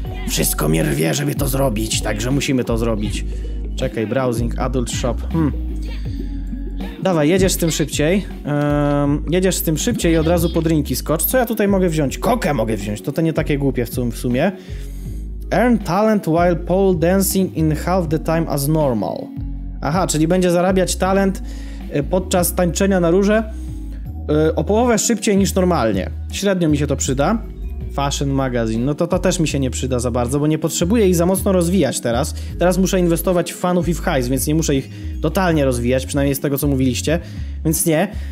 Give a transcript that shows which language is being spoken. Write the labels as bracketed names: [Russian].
[Polish] Wszystko mnie rwie, żeby to zrobić, także musimy to zrobić. Czekaj, [English] browsing, adult shop, [Polish] Dawaj, jedziesz z tym szybciej. Jedziesz z tym szybciej i od razu po drinki skocz. Co ja tutaj mogę wziąć? Kokę mogę wziąć, to nie takie głupie w sumie. [English] Earn talent while pole dancing in half the time as normal. [Polish] Aha, czyli będzie zarabiać talent podczas tańczenia na róże o połowę szybciej niż normalnie. Średnio mi się to przyda. Fashion magazine, no to też mi się nie przyda za bardzo, bo nie potrzebuję ich za mocno rozwijać teraz. Teraz muszę inwestować w fanów i w hajs, więc nie muszę ich totalnie rozwijać, przynajmniej z tego, co mówiliście. Więc nie.